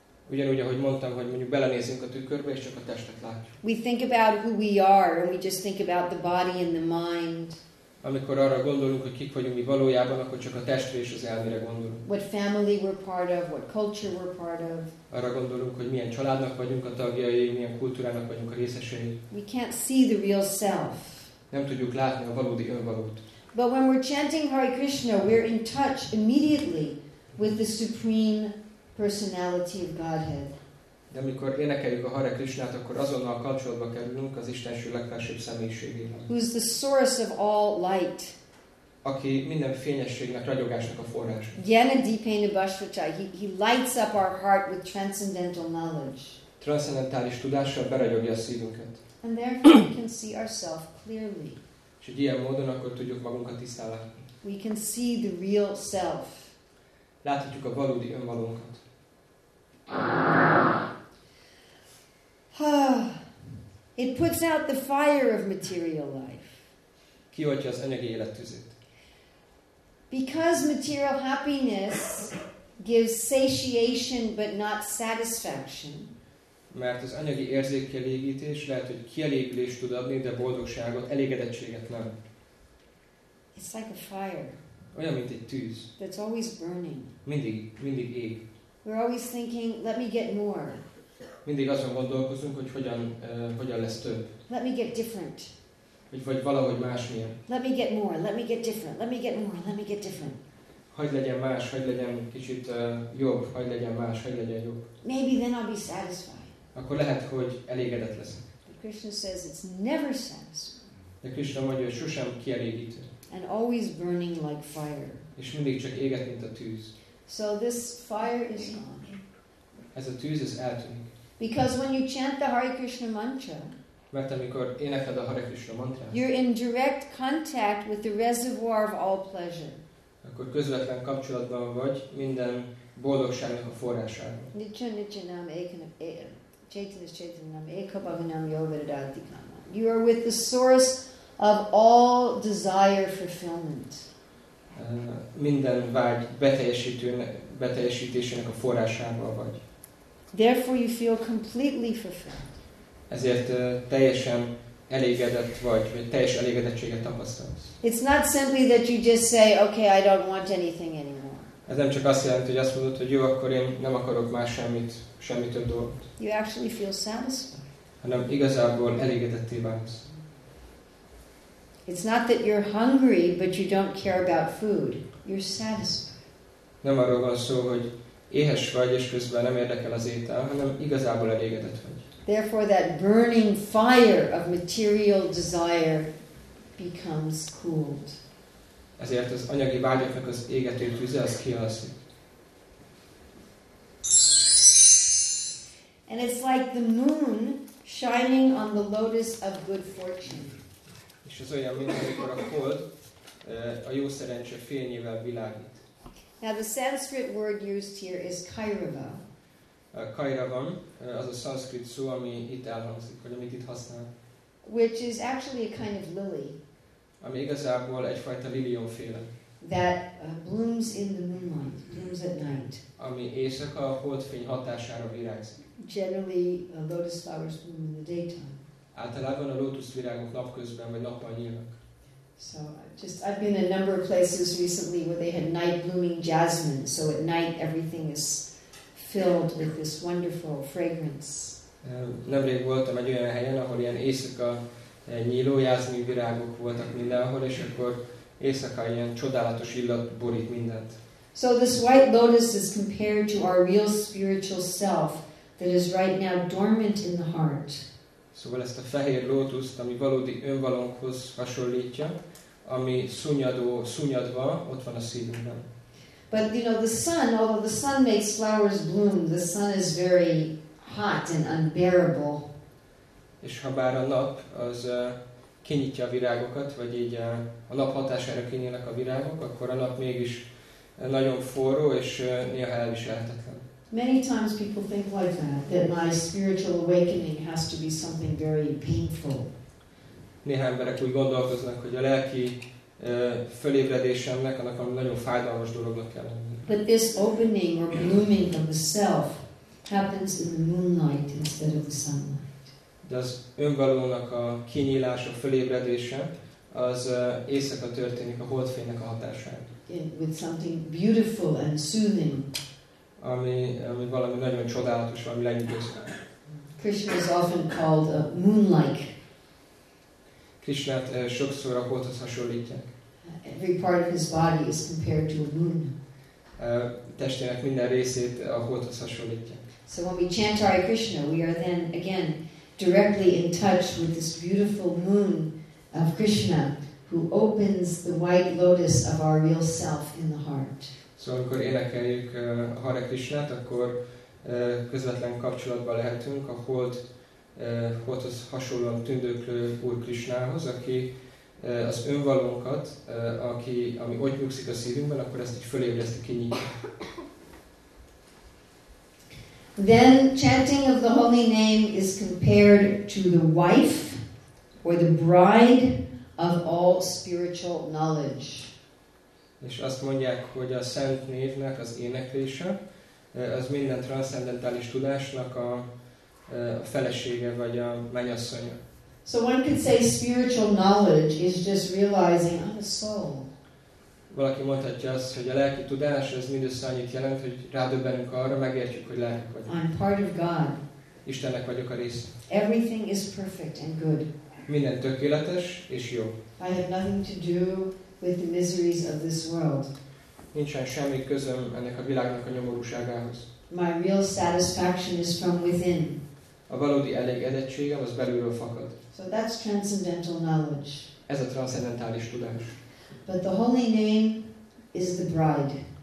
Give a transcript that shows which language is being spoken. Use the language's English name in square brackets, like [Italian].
[Hungarian] Ugyanúgy, ahogy mondtam, hogy mondjuk belenézünk a tükörbe és csak a testet látjuk. [English] We think about who we are and we just think about the body and the mind. [Hungarian] Amikor arra gondolunk, hogy kik vagyunk mi valójában, akkor csak a testre és az elmére gondolunk. [English] What family we're part of, what culture we're part of. [Hungarian] Arra gondolunk, hogy milyen családnak vagyunk a tagjai, milyen kultúrának vagyunk a részesei. [English] We can't see the real self. [Hungarian] Nem tudjuk látni a valódi önmagunkat. [English] But when we're chanting Hare Krishna, we're in touch immediately with the supreme personality of Godhead. [Hungarian] De amikor énekeljük a Hare Krishnát, akkor azonnal kapcsolatba kerülünk az Istenső legfelsőbb személyiségével. [English] Who is the source of all light. [Hungarian] Aki minden fényességnek, ragyogásnak a forrás. [Sanskrit] Jnana Dipena Bhasvata, [English] he lights up our heart with transcendental knowledge. [Hungarian] Transzendentális tudással beragyogja a szívünket. [English] And therefore we can see ourselves clearly. [Hungarian] És egy ilyen módon akkor tudjuk magunkat tisztán látni. [English] We can see the real self. [Hungarian] Láthatjuk a valódi önmagunkat. [English] It puts out the fire of material life. [Hungarian] Kioltja az anyagi élettüzét. [English] Because material happiness gives satiation but not satisfaction. [Hungarian] Mert az anyagi érzékelégítés lehet, hogy kielégülést tud adni, de boldogságot, elégedettséget nem. [English] It's like a fire. [Hungarian] olyan, mint egy tűz. [English] That's always burning. [Hungarian] Mindig ég. [English] We're always thinking, let me get more. [Hungarian] Mindig azon gondolkozunk, hogy hogyan lesz több. [English] Let me get different. [Hungarian] Vagy valahogy másmilyen. [English] Let me get more, let me get different, let me get more, let me get different. [Hungarian] Hagyd legyen más, hagyd legyen kicsit jobb, hagyd legyen más, hagyd legyen jobb. [English] Maybe then I'll be satisfied. [Hungarian] Akkor lehet, hogy elégedett leszek. [English] But Krishna says it's never satisfied. [Hungarian] De Krishna mondja, hogy sosem kielégítő. [English] And always burning like fire. [Hungarian] És mindig csak éget, mint a tűz. [English] So this fire is gone. [Hungarian] Ez a tűz, ez eltűnik. [English] Because when you chant the Hare Krishna mantra, [Hungarian] mert amikor énekled a Hare Krishna mantrát, [English] you're in direct contact with the reservoir of all pleasure. [Hungarian] Akkor közvetlen kapcsolatban vagy minden boldogságnak a forrásával. [Sanskrit] Nitya nitya nam ekana chaitanya nam ekabhavanam yovedadikam. [English] You are with the source of all desire fulfillment. [Hungarian] Minden vágy beteljesítésének a forrásával vagy. [English] Therefore you feel completely fulfilled. [Hungarian] Ezért teljesen elégedett vagy teljes elégedettséget tapasztalsz. [English] It's not simply that you just say, okay, I don't want anything anymore. [Hungarian] Ez nem csak azt jelenti, hogy azt mondod, hogy jó, akkor én nem akarok már semmi több dolgot. [English] You actually feel satisfied. [Hungarian] Hanem igazából elégedetté válsz. [English] It's not that you're hungry, but you don't care about food. You're satisfied. [Hungarian] Nem arról van szó, hogy éhes vagy, és közben nem érdekel az étel, hanem igazából elégedett vagy. [English] Therefore that burning fire of material desire becomes cooled. [Hungarian] Ezért az anyagi vágyaknak az égető tüze az kialszik. [English] And it's like the moon shining on the lotus of good fortune. [Hungarian] És ez olyan, mint amikor a hold a jó szerencse fényével világít. [English] Now the Sanskrit word used here is kairava. [Hungarian] Kairavam, az a szanszkrit szó, ami itt elhangzik, vagy amit itt használ. [English] Which is actually a kind of lily. [Hungarian] Ami igazából egyfajta liliumféle. [English] That blooms in the moonlight, blooms at night. [Hungarian] Ami éjszaka a holdfény hatására virágzik. [English] Generally, lotus flowers bloom in the daytime. [Hungarian] Általában a lótuszvirágok napközben vagy nappal nyílnak. [English] So, I've been in a number of places recently where they had night blooming jasmine, so at night everything is filled with this wonderful fragrance. [Hungarian] Nemrég voltam egy olyan helyen, ahol ilyen éjszaka nyíló jázmin virágok voltak mindenhol, és akkor éjszaka ilyen csodálatos illat borít mindent. [English] So this white lotus is compared to our real spiritual self that is right now dormant in the heart. [Hungarian] Szóval ezt a fehér lótuszt, ami valódi önvalónkhoz hasonlítja, ami szunnyadva ott van a szívünkben. [English] But you know the sun, although the sun makes flowers bloom, the sun is very hot and unbearable. [Hungarian] És ha bár a nap az kinyitja a virágokat, vagy így a nap hatására kinyílnak a virágok, akkor a nap mégis nagyon forró és néha elviselhetetlen. [English] Many times people think like that my spiritual awakening has to be something very painful. [Hungarian] Néha emberek úgy gondolkoznak, hogy a lelki fölébredésemnek, annak a nagyon fájdalmas dolognak kell lenni. [English] But this opening or blooming of the self happens in the moonlight instead of the sunlight. [Hungarian] De az önvalónak a kinyílása, fölébredése, az éjszaka történik a holdfénynek a hatásán. [English] With something beautiful and soothing. [Hungarian] Ami valami nagyon csodálatos, valami lenyűgöző. [English] Krishna is often called a moon-like. [Hungarian] Krishnát sokszor a holdhoz hasonlítják. [English] Every part of his body is compared to a moon. [Hungarian] Testének minden részét a holdhoz hasonlítják. [English] So when we chant Hare Krishna, we are then again directly in touch with this beautiful moon of Krishna, who opens the white lotus of our real self in the heart. [Hungarian] Szóval amikor énekeljük Hare Krishnát, akkor közvetlen kapcsolatban lehetünk a hold. Holdhoz hasonlóan tündöklő Úr Krisnához, aki az önvalónkat, ami ott nyugszik a szívünkben, akkor ezt így fölébreszti, kinyitja. [English] Then chanting of the holy name is compared to the wife or the bride of all spiritual knowledge. [Hungarian] És azt mondják, hogy a szent névnek az éneklése az minden transzcendentális tudásnak a felesége vagy a mennyasszonya. [English] So one could say spiritual knowledge is just realizing I'm a soul. [Hungarian] valaki mondhatja azt, hogy a lelki tudás az mindössze annyit jelent, hogy rádöbbenünk arra, megértjük, hogy lelki vagyunk. [English] I'm part of God. [Hungarian] Istennek vagyok a része. [English] Everything is perfect and good. [Hungarian] Minden tökéletes és jó. [English] I have nothing to do with the miseries of this world. [Hungarian] Nincsen semmi közöm ennek a világnak a nyomorúságához. [English] My real satisfaction is from within. [Hungarian] A valódi elégedettségem az belülről fakad. [English] So that's transcendental knowledge. [Hungarian] Ez a transzcendentális tudás. [English] But the holy name is the bride.